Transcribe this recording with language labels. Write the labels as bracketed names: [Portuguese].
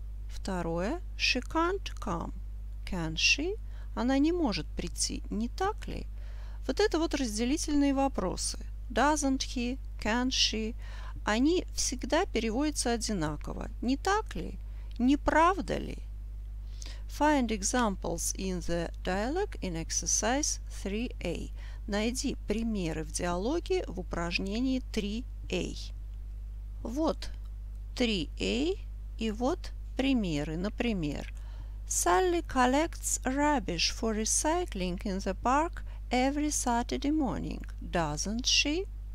[Russian] Второе. [English] She can't come. Can she? [Russian] Она не может прийти, не так ли? Вот это вот разделительные вопросы. [English] Doesn't he? Can she? [Russian] Они всегда переводятся одинаково. Не так ли? Не правда ли? [English] Find examples in the dialogue in exercise 3A. [Russian] Найди примеры в диалоге в упражнении 3A. Вот 3A и вот примеры. Например, [English] Sally collects rubbish for recycling in the park every Saturday morning, doesn't she?